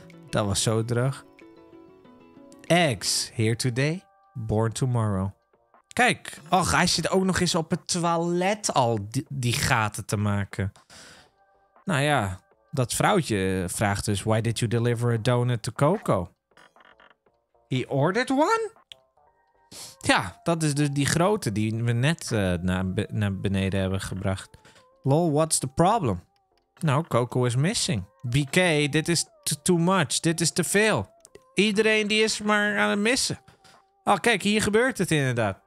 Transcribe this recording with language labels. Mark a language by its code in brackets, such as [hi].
[nl] Dat was zo droog. Eggs. [en] Here today. Born tomorrow. Kijk. [nl] Och, hij zit ook nog eens op het toilet al die gaten te maken. Nou ja. Dat vrouwtje vraagt dus. [en] Why did you deliver a donut to Coco? He ordered one? [nl] Ja, dat is dus die grote die we net naar beneden hebben gebracht. [en] Lol, what's the problem? Nou, Coco is missing. [nl] BK, dit is [en] too much. [nl] Dit is te veel. Iedereen die is maar aan het missen. Oh, kijk, hier gebeurt het inderdaad.